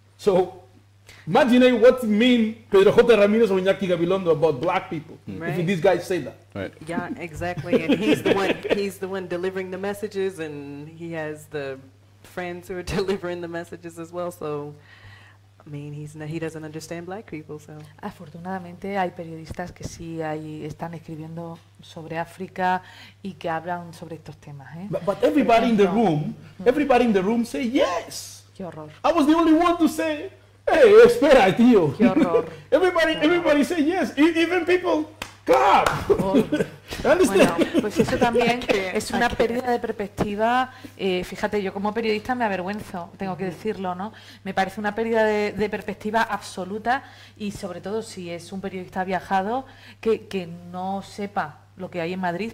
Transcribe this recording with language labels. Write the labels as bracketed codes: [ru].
[en] So imagine what mean Pedro J. Ramirez or Iñaki Gabilondo about black people. Mm. Right. If this guy say that. Right. Yeah, exactly. And he's the one delivering the messages, and he has the friends who are delivering the messages as well. So I mean, he doesn't understand black people, so. [es] Afortunadamente, hay periodistas que sí hay están escribiendo sobre África y que hablan sobre estos temas. ¿Eh? [en] But everybody in the room, everybody in the room say yes. [es] Qué horror. [en] I was the only one to say, hey, [es] espera, tío. Qué horror. [en] everybody say yes. Even people clap. [es] Bueno, pues eso también es una pérdida de perspectiva. Fíjate, yo como periodista me avergüenzo, tengo que decirlo, ¿no? Me parece una pérdida de perspectiva absoluta, y sobre todo si es un periodista viajado que no sepa lo que hay en Madrid.